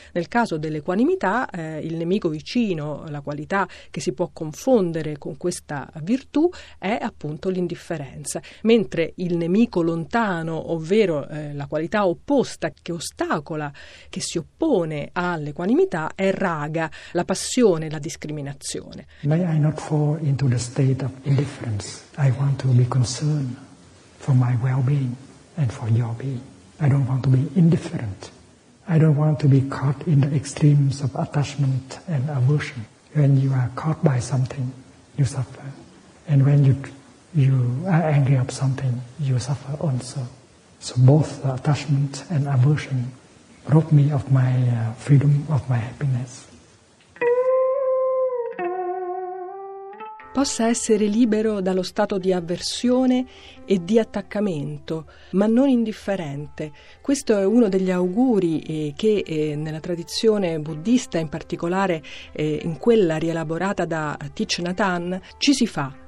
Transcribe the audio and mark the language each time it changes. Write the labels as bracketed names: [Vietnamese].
[Italian] Nel caso dell'equanimità, il nemico vicino, la qualità che si può confondere con questa virtù, è appunto l'indifferenza, mentre il nemico lontano, ovvero la qualità opposta che ostacola, che si oppone all'equanimità, è raga, la passione, la discriminazione. [English] May I not fall into the state of indifference? I want to be concerned for my well-being and for your being. I don't want to be indifferent. I don't want to be caught in the extremes of attachment and aversion. When you are caught by something, you suffer. And when you are angry at something, you suffer also. So both the attachment and aversion rob me of my freedom, of my happiness. [Italian] Possa essere libero dallo stato di avversione e di attaccamento, ma non indifferente. Questo è uno degli auguri che nella tradizione buddista, in particolare in quella rielaborata da Thich Nhat Hanh, ci si fa.